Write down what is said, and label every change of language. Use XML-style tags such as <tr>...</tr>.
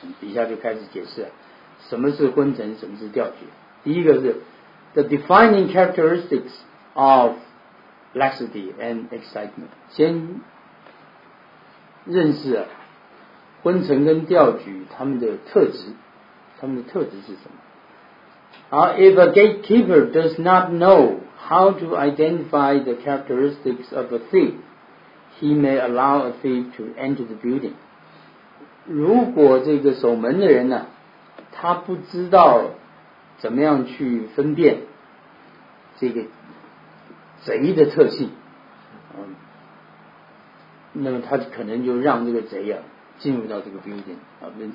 <zh>底下就开始解释什么是昏沉，什么是调举。第一个是</zh> <en>the defining characteristics of laxity and excitement.</en> <zh>先认识昏沉跟调举他们的特质，他们的特质是什么。</zh> <en>If a gatekeeper does not know how to identify the characteristics of a thief, he may allow a thief to enter the building.</en> <zh>如果这个守门的人呢，他不知道怎么样去分辨这个贼的特性，那么他可能就让这个贼啊进入到这个 building 啊。</zh>